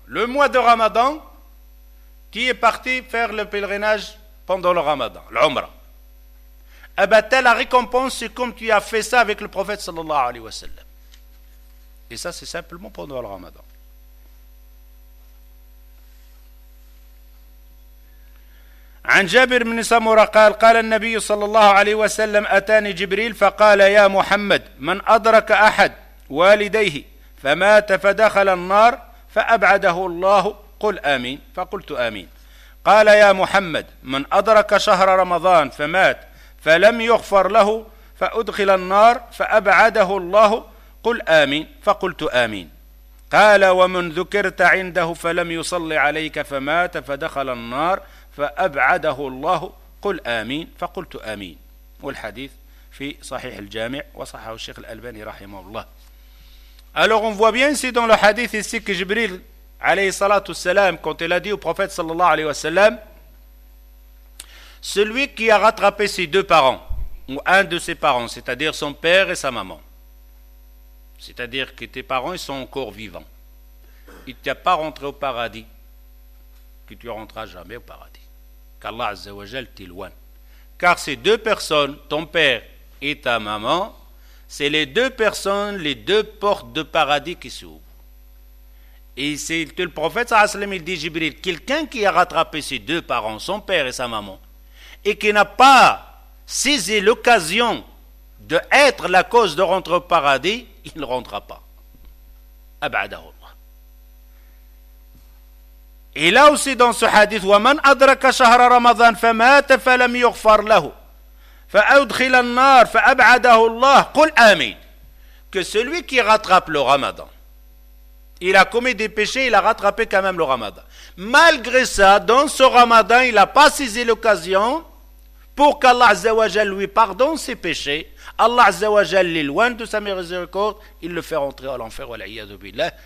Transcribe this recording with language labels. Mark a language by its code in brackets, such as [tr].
[fr] Le mois de ramadan, tu es parti faire le pèlerinage pendant le ramadan, l'umra. Eh bien, t'as la récompense, c'est comme tu as fait ça avec le prophète sallallahu alayhi wa sallam. Et ça, c'est simplement pendant le ramadan. [ar] عن جابر بن سمرة قال قال النبي صلى الله عليه وسلم أتاني جبريل فقال يا محمد من أدرك أحد والديه فمات فدخل النار فأبعده الله قل آمين فقلت آمين قال يا محمد من أدرك شهر رمضان فمات فلم يغفر له فأدخل النار فأبعده الله قل آمين فقلت آمين قال ومن ذكرت عنده فلم يصلي عليك فمات فدخل النار فأبعده الله قل آمين فقلت آمين والحديث في صحيح الجامع وصححه الشيخ الألباني رحمه الله. [fr] Alors on voit bien ici dans le hadith ici que Jibril alayhi salatu salam, quand il a dit au prophète sallallahu alayhi wa sallam, celui qui a rattrapé ses deux parents, ou un de ses parents, c'est-à-dire son père et sa maman, c'est-à-dire que tes parents, ils sont encore vivants, il ne t'a pas rentré au paradis, que tu ne rentreras jamais au paradis, qu'Allah Azza wa Jal t'éloigne. Car ces deux personnes, ton père et ta maman, c'est les deux personnes, les deux portes de paradis qui s'ouvrent. Et c'est le prophète sallallahu alayhi wa sallam, il dit, Jibril, quelqu'un qui a rattrapé ses deux parents, son père et sa maman, et qui n'a pas saisi l'occasion de être la cause de rentrer au paradis, il ne rentrera pas. [ar] Abadahu. Et là aussi dans ce hadith, وَمَنْ أَدْرَكَ شَهْرَ رَمَضَانَ فَمَاتَ فَلَمْ يُغْفَرْ لَهُ فَأَوْدْخِلَ النَّارَ فَأَبْعَدَهُ اللَّهُ قُلْ أَمِينَ. [fr] Que celui qui rattrape le ramadan, il a commis des péchés, il a rattrapé quand même le ramadan. Malgré ça, dans ce ramadan, il n'a pas saisi l'occasion pour qu'Allah Azza wa Jal lui pardonne ses péchés. Allah Azza wa Jal l'éloigne de sa miséricorde, il le fait rentrer à l'enfer, وَلَعِيَّذُ بِاللَّهِ.